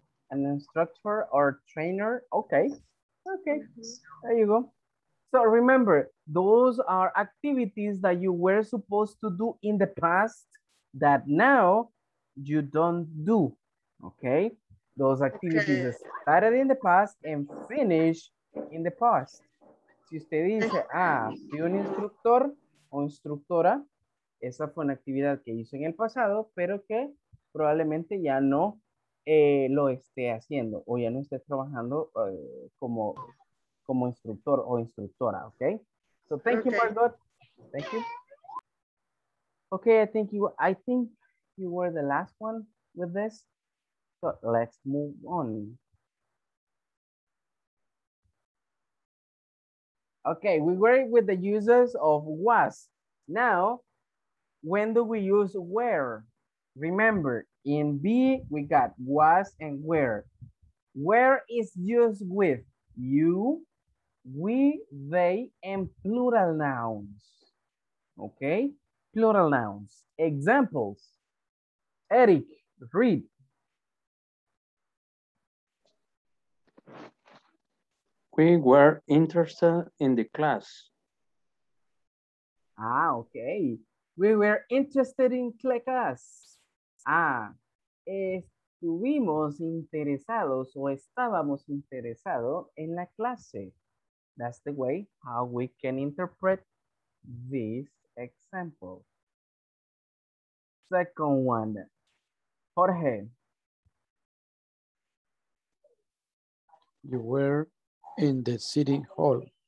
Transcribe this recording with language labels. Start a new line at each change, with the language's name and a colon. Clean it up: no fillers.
English: An instructor or trainer. Okay. Okay. Mm-hmm. There you go. So remember, those are activities that you were supposed to do in the past that now you don't do. Okay. Those activities started in the past and finished in the past.
Spanish: Si usted dice, fui un instructor o instructora, esa fue una actividad que hizo en el pasado, pero que probablemente ya no lo esté haciendo o ya no esté trabajando como instructor o instructora, ok?
English: So thank you, Margot. Thank you. Okay, I think you were the last one with this. So let's move on. Okay, we were with the users of was. Now, when do we use where? Remember, in B, we got was and where. Where is used with you, we, they, and plural nouns. Okay, plural nouns. Examples. Eric, read. We were interested in the class. Ah, okay. We were interested in class.
Spanish: Ah, estuvimos interesados o estábamos interesados en la clase.
English: That's the way how we can interpret this example. Second one, Jorge. You were in the city hall.